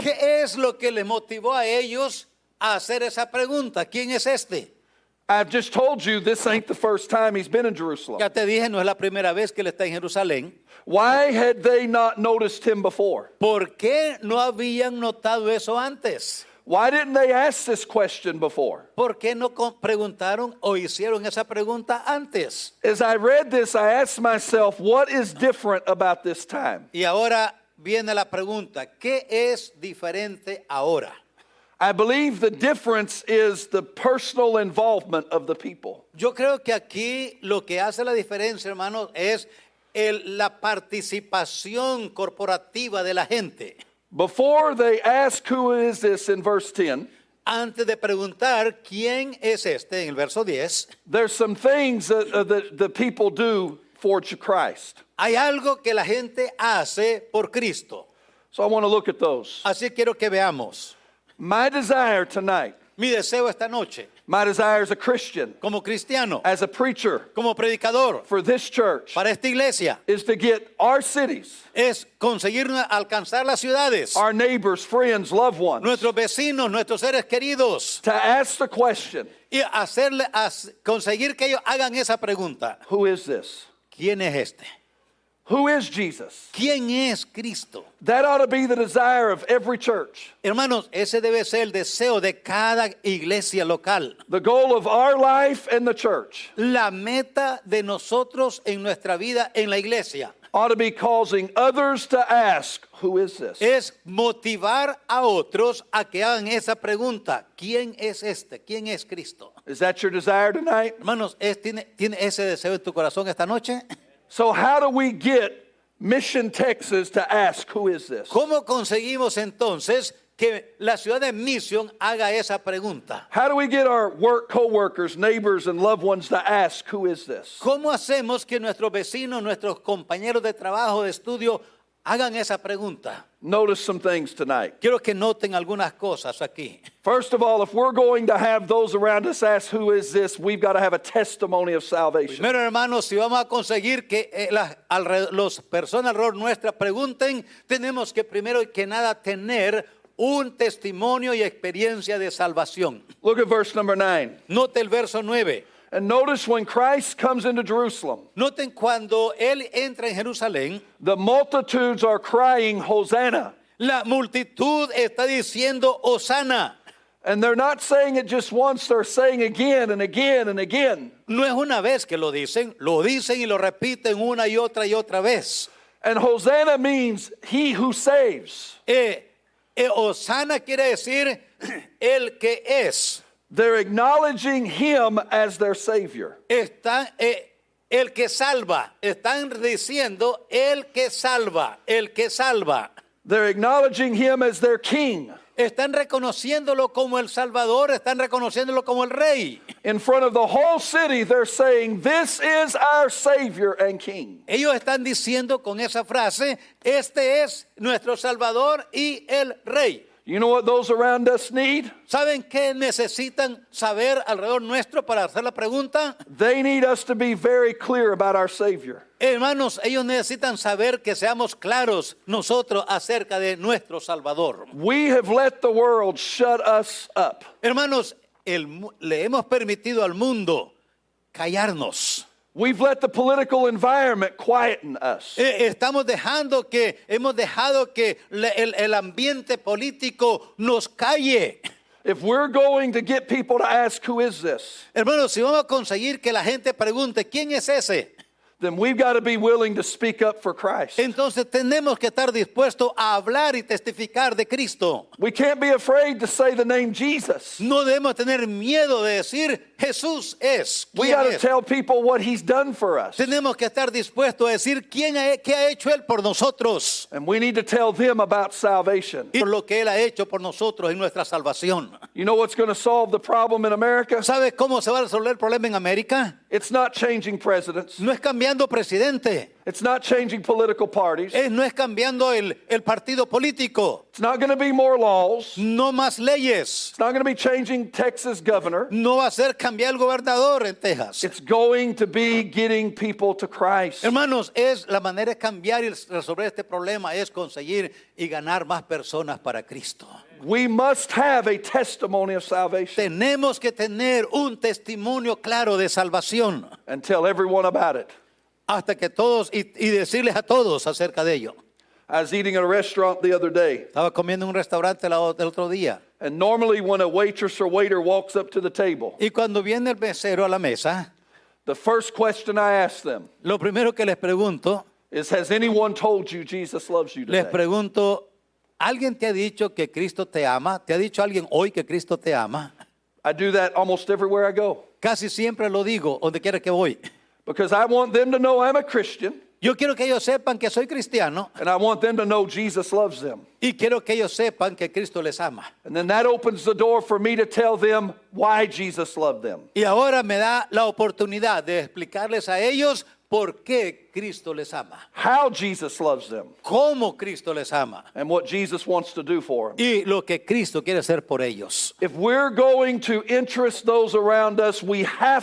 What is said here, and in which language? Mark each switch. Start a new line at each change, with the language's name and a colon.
Spanish: ¿Qué es lo que le motivó a ellos a hacer esa pregunta? ¿Quién es este?
English: I've just told you this ain't the first time he's been in Jerusalem.
Spanish: Ya te dije, no es la primera vez que él está en Jerusalén.
English: Why had they not noticed him before?
Spanish: ¿Por qué no habían notado eso antes?
English: Why didn't they ask this question before?
Spanish: ¿Por qué no preguntaron o hicieron esa pregunta antes?
English: As I read this, I asked myself, what is different about this time?
Spanish: Y ahora viene la pregunta, ¿qué es diferente ahora?
English: I believe the difference is the personal involvement of the people.
Spanish: Yo creo que aquí lo que hace la diferencia, hermanos, es la participación corporativa de la gente.
English: Before they ask who is this in verse 10,
Spanish: antes de preguntar quién es este en el verso 10,
English: there's some things that the people do for Christ.
Spanish: Hay algo que la gente hace por Cristo.
English: So I want to look at those.
Spanish: Así quiero que veamos.
English: My desire tonight.
Spanish: Mi deseo esta noche.
English: My desire as a Christian,
Spanish: como cristiano,
English: as a preacher,
Spanish: como predicador,
English: for this church,
Spanish: para esta iglesia,
English: is to get our cities,
Spanish: es conseguir alcanzar las ciudades,
English: our neighbors, friends, loved ones,
Spanish: nuestros vecinos, nuestros seres queridos,
English: to ask the question,
Spanish: y hacerle, conseguir que ellos hagan esa pregunta,
English: who is this?
Spanish: ¿Quién es este?
English: Who is Jesus?
Spanish: ¿Quién es Cristo?
English: That ought to be the desire of every church.
Spanish: Hermanos, ese debe ser el deseo de cada iglesia local.
English: The goal of our life and the church.
Spanish: La meta de nosotros en nuestra vida en la iglesia.
English: Ought to be causing others to ask, who is this?
Spanish: Es motivar a otros a que hagan esa pregunta. ¿Quién es este? ¿Quién es Cristo?
English: Is that your desire tonight?
Spanish: Hermanos, ¿tiene ese deseo en tu corazón esta noche?
English: So how do we get Mission Texas to ask who is this?
Spanish: ¿Cómo conseguimos entonces que la ciudad de Mission haga esa pregunta?
English: How do we get our work coworkers, neighbors and loved ones to ask who is this?
Spanish: ¿Cómo hacemos que nuestros vecinos, nuestros compañeros de trabajo, de estudio hagan esa pregunta?
English: Notice some things tonight.
Spanish: Quiero que noten algunas cosas aquí.
English: First of all, if we're going to have those around us ask who is this, we've got to have a testimony of salvation.
Spanish: Primero, hermanos, si vamos a conseguir que las personas alrededor nuestra pregunten, tenemos que primero que nada tener un testimonio y experiencia de salvación.
English: Look at verse number 9.
Spanish: Note el verso 9.
English: And notice when Christ comes into Jerusalem.
Spanish: Noten cuando él entra en Jerusalén.
English: The multitudes are crying, Hosanna.
Spanish: La multitud está diciendo, Hosanna.
English: And they're not saying it just once, they're saying again and again and again.
Spanish: No es una vez que lo dicen y lo repiten una y otra vez.
English: And Hosanna means he who saves.
Spanish: Hosanna quiere decir el que es.
English: They're acknowledging him as their savior.
Spanish: Están el que salva. Están diciendo el que salva, el que salva.
English: They're acknowledging him as their king.
Spanish: Están reconociéndolo como el Salvador, están reconociéndolo como el Rey.
English: In front of the whole city, they're saying, "This is our Savior and King."
Spanish: Ellos están diciendo con esa frase, "Este es nuestro Salvador y el Rey."
English: You know what those around us need?
Spanish: ¿Saben qué necesitan saber alrededor nuestro para hacer la pregunta?
English: They need us to be very clear about our Savior.
Spanish: Hermanos, ellos necesitan saber que seamos claros nosotros acerca de nuestro Salvador.
English: We have let the world shut us up.
Spanish: Hermanos, le hemos permitido al mundo callarnos.
English: We've let the political environment quieten us.
Spanish: Estamos dejando que hemos dejado que el ambiente político nos calle.
English: If we're going to get people to ask who is this?
Spanish: Hermanos, si vamos a conseguir que la gente pregunte quién es ese,
English: then we've got to be willing to speak up for Christ.
Spanish: Entonces tenemos que estar dispuestos a hablar y testificar de Cristo.
English: We can't be afraid to say the name Jesus.
Spanish: No debemos tener miedo de decir Jesús es.
English: We got to tell people what he's done for us.
Spanish: Tenemos que estar dispuestos a decir qué ha hecho él por nosotros.
English: And we need to tell them about salvation.
Spanish: Y lo que él ha hecho por nosotros y nuestra salvación.
English: You know what's going to solve the problem in America?
Spanish: ¿Sabes cómo se va a resolver el problema en América?
English: It's not changing presidents.
Spanish: No es cambiando presidente.
English: It's not changing political parties.
Spanish: No es cambiando el partido político.
English: It's not going to be more laws.
Spanish: No más leyes.
English: It's not going to be changing Texas governor.
Spanish: No va a ser cambiar el gobernador en Texas.
English: It's going to be getting people to Christ.
Spanish: Hermanos, es la manera de cambiar y resolver este problema es conseguir y ganar más personas para Cristo.
English: We must have a testimony of salvation.
Spanish: Tenemos que tener un testimonio claro de salvación.
English: And tell everyone about it.
Spanish: Hasta que todos y decirles a todos acerca de ello.
English: I was eating at a restaurant the other day.
Spanish: Estaba comiendo en un restaurante el otro día.
English: And normally when a waitress or waiter walks up to the table.
Spanish: Y cuando viene el mesero a la mesa.
English: The first question I ask them.
Spanish: Lo primero que les pregunto.
English: Is, has anyone told you Jesus loves you today?
Spanish: Les pregunto, ¿alguien te ha dicho que Cristo te ama? ¿Te ha dicho alguien hoy que Cristo te ama?
English: I do that almost everywhere I go.
Spanish: Casi siempre lo digo, donde quiera que voy.
English: Because I want them to know I'm a Christian.
Spanish: Yo quiero que ellos sepan que soy cristiano.
English: And I want them to know Jesus loves them.
Spanish: Y quiero que ellos sepan que Cristo les ama.
English: And then that opens the door for me to tell them why Jesus loved them.
Spanish: Y ahora me da la oportunidad de explicarles a ellos por qué Cristo les ama.
English: How Jesus loves them.
Spanish: Cómo Cristo les ama.
English: And what Jesus wants to do for them.
Spanish: Y lo que Cristo quiere hacer por ellos.
English: If we're going to interest those around us, we have